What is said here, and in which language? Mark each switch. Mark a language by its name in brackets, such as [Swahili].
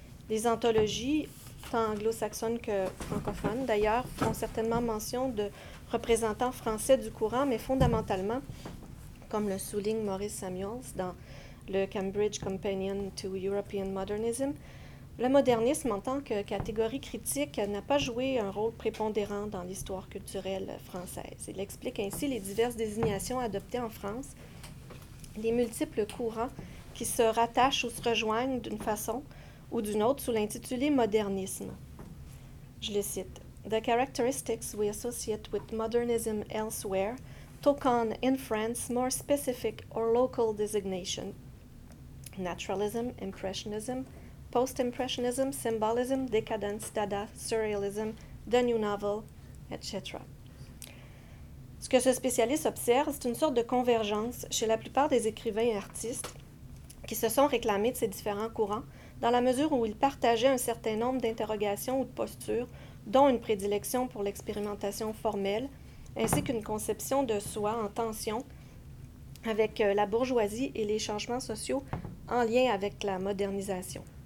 [French] Les anthologies, tant anglo-saxonnes que francophones, d'ailleurs, font certainement mention de représentants français du courant, mais fondamentalement, comme le souligne Maurice Samuels dans le Cambridge Companion to European Modernism, le modernisme en tant que catégorie critique n'a pas joué un rôle prépondérant dans l'histoire culturelle française. Il explique ainsi les diverses désignations adoptées en France, les multiples courants qui se rattachent ou se rejoignent d'une façon ou d'une autre sous l'intitulé modernisme. Je le cite. [English] « The characteristics we associate with modernism elsewhere took on in France more specific or local designation. Naturalism, impressionism, post-impressionism, symbolism, décadence, dada, surrealism, the new novel, etc. [French] » Ce que ce spécialiste observe, c'est une sorte de convergence chez la plupart des écrivains et artistes qui se sont réclamés de ces différents courants dans la mesure où ils partageaient un certain nombre d'interrogations ou de postures, dont une prédilection pour l'expérimentation formelle, ainsi qu'une conception de soi en tension avec la bourgeoisie et les changements sociaux en lien avec la modernisation.